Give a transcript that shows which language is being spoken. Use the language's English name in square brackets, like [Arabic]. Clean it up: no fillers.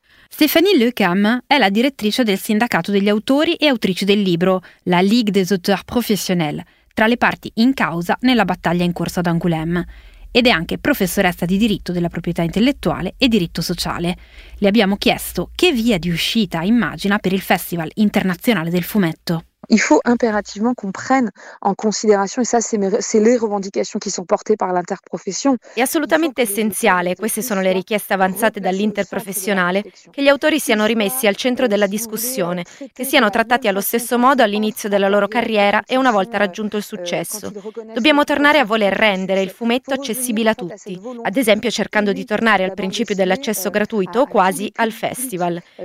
[Italian] Stéphanie Lecam è la direttrice del Sindacato degli Autori e Autrici del Libro, la Ligue des Auteurs Professionnels, tra le parti in causa nella battaglia in corso ad Angoulême, ed è anche professoressa di diritto della proprietà intellettuale e diritto sociale. Le abbiamo chiesto che via di uscita immagina per il Festival Internazionale del Fumetto. [French] Il faut impérativement qu'on prenne en considération, et ça c'est les revendications qui sont portées par l'interprofession. [Italian] È assolutamente essenziale, queste sono le richieste avanzate dall'interprofessionale, che gli autori siano rimessi al centro della discussione, che siano trattati allo stesso modo all'inizio della loro carriera e una volta raggiunto il successo. Dobbiamo tornare a voler rendere il fumetto accessibile a tutti, ad esempio cercando di tornare al principio dell'accesso gratuito o quasi al festival.